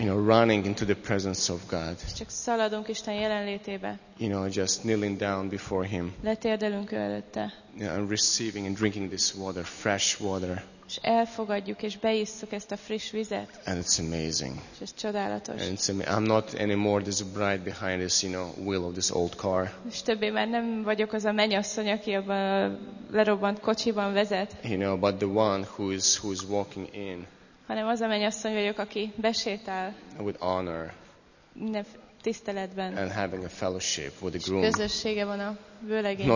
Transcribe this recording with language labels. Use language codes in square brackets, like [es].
[en] You know, running into the presence of God. [hu] És csak szaladunk Isten jelenlétébe. [en] You know, just kneeling down before Him. [hu] Letérdelünk előtte. [en] You know, and receiving and drinking this water, fresh water. [hu] És elfogadjuk és beisszuk ezt a friss vizet. [en] And it's amazing. [hu] És ez csodálatos. [en] And I'm not anymore this bride behind this, you know, wheel of this old car. [hu] És többé már nem vagyok az a mennyasszony, aki abban a lerobbant kocsiban vezet. [en] You know, but the one who is walking in. [hu] Hanem az a mennyasszony vagyok, aki besétál. [en] With honor. [hu] Tiszteletben. [en] And having a fellowship with the groom. [hu] És közössége van a vőlegénnyel.